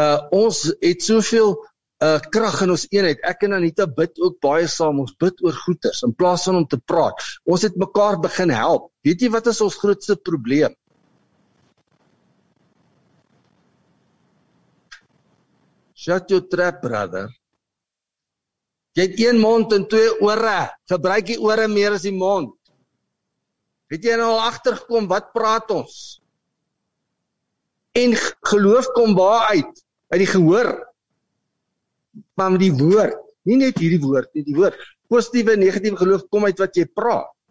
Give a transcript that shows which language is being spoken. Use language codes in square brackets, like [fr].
[af] Ons het soveel krag in ons eenheid. Ek en Anita bid ook baie saam, ons bid oor goeders, in plaas van om te praat. Ons het mekaar begin help. Weet jy wat is ons grootste probleem? [en] Shut your trap, brother. [af] Jy het een mond en twee ore. Gebruik die ore meer as die mond. Het jy nou al agtergekom, wat praat ons? En geloof kom waar uit? Uit die gehoor. Maar die woord, nie net hierdie woord, nie die woord, positieve en negatieve geloof kom uit wat jy praat.